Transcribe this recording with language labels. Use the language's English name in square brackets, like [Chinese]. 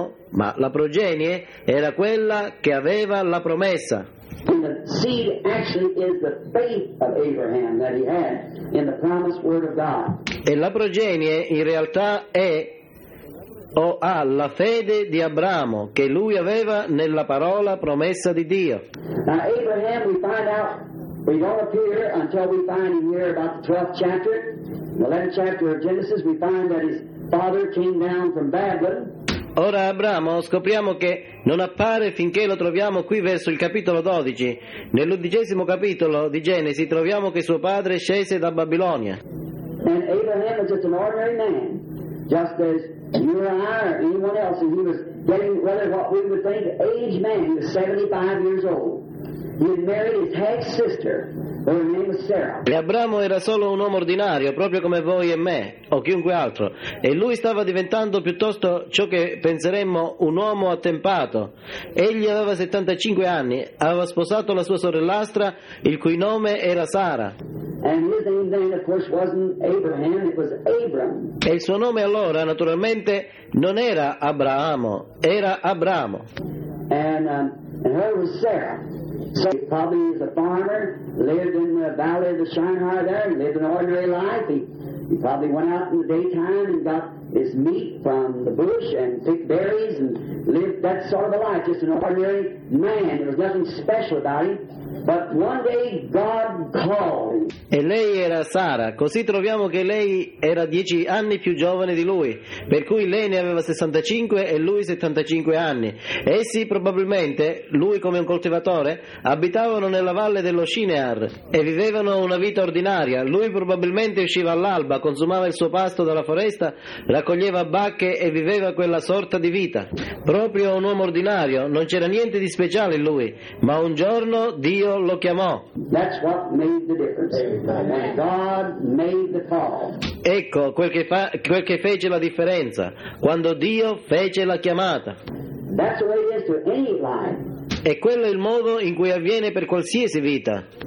[Italian] Ma la progenie era quella che aveva la promessa. [English] And the seed actually is the faith of Abraham that he had in the promised word of God. [Italian] E la progenie in realtà è o ha la fede di Abramo che lui aveva nella parola promessa di Dio. [English] Now Abraham, we find out, we don't appear until we find him here about the 12th chapter, the 11th chapter of Genesis. We find that his father came down from Babylon. [Italian] Ora Abramo scopriamo che non appare finché lo troviamo qui verso il capitolo 12. Nell'undicesimo capitolo di Genesi troviamo che suo padre scese da Babilonia. [English] And Abraham was just an ordinary man, just as you and I or anyone else, and he was getting whether what we would think aged man was 75 years old. He had married his half sister, her name was Sarah. [Italian] E Abramo era solo un uomo ordinario, proprio come voi e me, o chiunque altro. E lui stava diventando piuttosto ciò che penseremmo un uomo attempato. Egli aveva 75 anni, aveva sposato la sua sorellastra, il cui nome era Sara. [English] And his name then, of course, wasn't Abraham, it was Abram. [Italian] E il suo nome allora, naturalmente, non era Abramo, era Abramo. [English] And her was Sarah. So he probably was a farmer, lived in the valley of the Shinar there, lived an ordinary life. He probably went out in the daytime and got his meat from the bush and picked berries and lived that sort of a life, just an ordinary man. There was nothing special about him. But one day God called him. [Italian] E lei era Sara. Così troviamo che lei era 10 anni più giovane di lui, per cui lei ne aveva 65 e lui 75 anni. Essi probabilmente, lui come un coltivatore, abitavano nella valle dello Shinear e vivevano una vita ordinaria. Lui probabilmente usciva all'alba, consumava il suo pasto dalla foresta, raccoglieva bacche e viveva quella sorta di vita. Proprio un uomo ordinario, non c'era niente di speciale in lui, ma un giorno Dio lo chiamò. [English] That's what made the difference. And God made the call. [Italian] Ecco quel che fece la differenza, quando Dio fece la chiamata. [English] That's the way it is to any life. [Italian] E quello è il modo in cui avviene per qualsiasi vita.